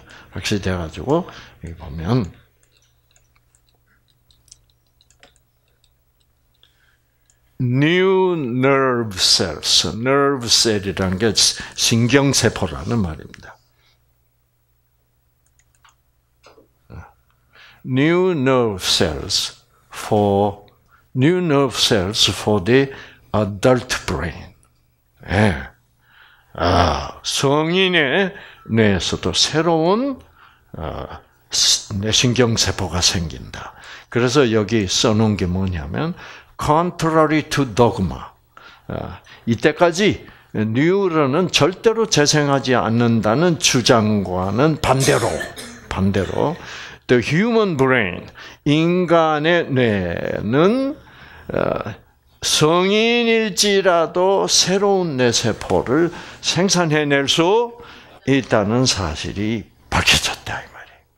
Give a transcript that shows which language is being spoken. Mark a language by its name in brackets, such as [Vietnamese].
[Korean] 확실시 돼가지고 여기 보면 [English] New nerve cells, nerve cell [Korean] 이란 게 신경세포라는 말입니다. [English] New nerve cells for new nerve cells for the adult brain. [Korean] 예, 네. 아, 성인의 뇌에서도 새로운 뇌신경세포가 생긴다. 그래서 여기 써놓은 게 뭐냐면. [English] Contrary to dogma. [Korean] 이때까지 뉴런은 절대로 재생하지 않는다는 주장과는 반대로 [English] the human brain, [Korean] 인간의 뇌는 성인일지라도 새로운 뇌세포를 생산해낼 수 있다는 사실이 밝혀졌다 이 말이.